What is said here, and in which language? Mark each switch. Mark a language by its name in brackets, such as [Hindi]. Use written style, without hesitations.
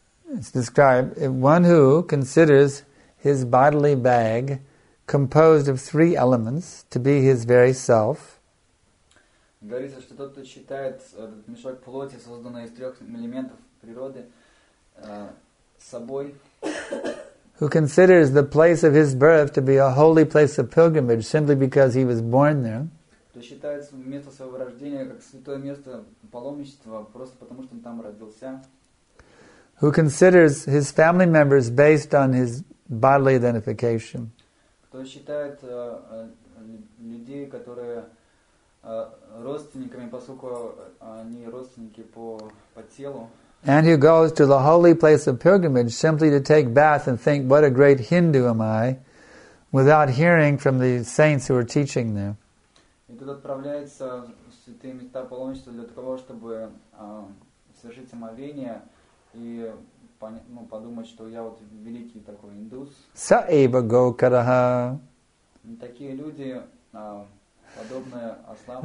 [English] It's described, one who considers his bodily bag composed of three elements to be his very self. [Russian] Говорится, что тот, кто считает этот мешок плоти, созданный из трех элементов природы, собой. [English] Who considers the place of his birth to be a holy place of pilgrimage simply because he was born there. [Russian] Кто считает место своего рождения как святое место паломничества просто потому, что он там родился. [English] Who considers his family members based on his bodily identification. [Russian] Кто считает людей, которые родственниками, поскольку они родственники по телу. [English] And who goes to the holy place of pilgrimage simply to take bath and think, what a great Hindu am I, without hearing from the saints who are teaching there. [Russian] И тут отправляется в святые места паломничества для того, чтобы совершить омовение и подумать, что я вот великий такой индус. [Sanskrit] Са эйва гокараха. [Russian] Такие люди, подобные ослам.